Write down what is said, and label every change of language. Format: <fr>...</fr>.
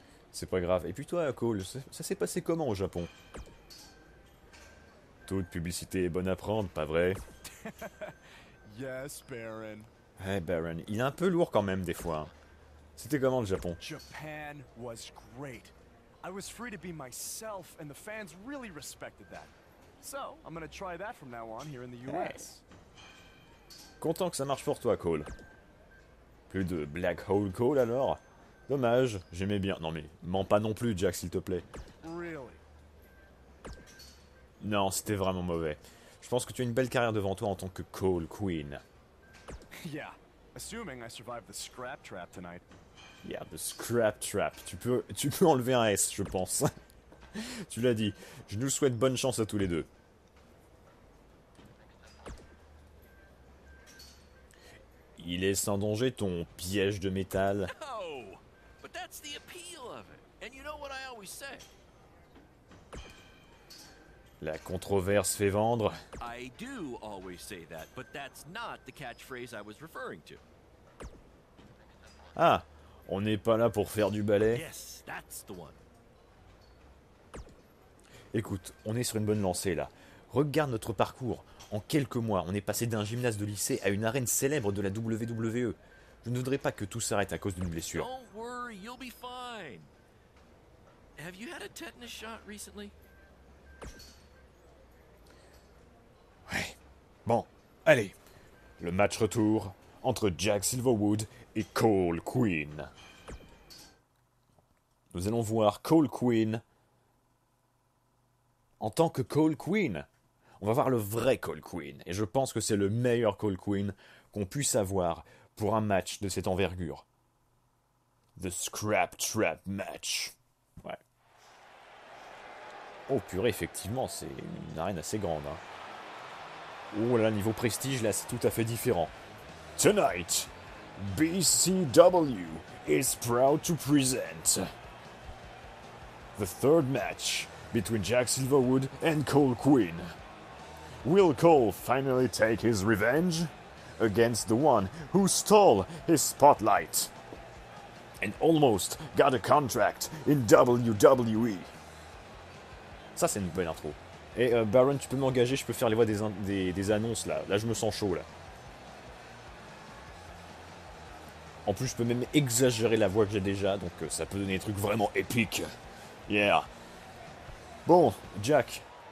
<fr>C'est pas grave. Et puis toi, Cole, ça s'est passé comment au Japon? Toute publicité est bonne à prendre, pas vrai?</fr> <en>Yes, Baron.</en> <fr>Hey, Baron, il est un peu lourd quand même des fois. C'était comment le Japon?</fr> <en>Japan was great. I was free to be myself, and the fans really respected that. So, I'm gonna try that from now on here in the US. Hey.</en> <fr>Content que ça marche pour toi, Cole. Plus de Black Hole Cole, alors? Dommage, j'aimais bien. Non mais, mens pas non plus, Jack, s'il te plaît. Non, c'était vraiment mauvais. Je pense que tu as une belle carrière devant toi en tant que Cole Queen.</fr> <en>Yeah, assuming I survive the scrap trap tonight. Yeah, the scrap trap.</en> <fr>Tu peux enlever un S, je pense. Tu l'as dit. Je nous souhaite bonne chance à tous les deux. Il est sans danger ton piège de métal.</fr> <en>No, but that's the appeal of it. And you know what I always say.</en> <fr>La controverse fait vendre.</fr> <en>I do always say that, but that's not the catchphrase I was referring to.</en> <fr>Ah, on n'est pas là pour faire du ballet.</fr> <en>Yes, that's the one.</en> <fr>Écoute, on est sur une bonne lancée là. Regarde notre parcours. En quelques mois, on est passé d'un gymnase de lycée à une arène célèbre de la WWE. Je ne voudrais pas que tout s'arrête à cause d'une blessure. Don't worry, you'll be fine. Have you had a tetanus shot recently? Ouais. Bon, allez. Le match retour entre Jack Silverwood et Cole Queen. Nous allons voir Cole Queen en tant que Cole Queen. On va voir le vrai Cole Queen. Et je pense que c'est le meilleur Cole Queen qu'on puisse avoir pour un match de cette envergure.</fr> <en>The Scrap Trap Match.</en> <fr>Ouais. Oh purée, effectivement, c'est une arène assez grande, hein. Oh là, niveau prestige, là, c'est tout à fait différent.</fr> <en>Tonight, BCW is proud to present the third match between Jack Silverwood and Cole Queen. Will Cole finally take his revenge against the one who stole his spotlight and almost got a contract in WWE?</en> <fr>Ça, c'est une belle intro. Et Baron, tu peux m'engager, je peux faire les voix des annonces, là. Là, je me sens chaud, là. En plus, je peux même exagérer la voix que j'ai déjà, donc ça peut donner des trucs vraiment épiques. Yeah. Bon, Jack.</fr>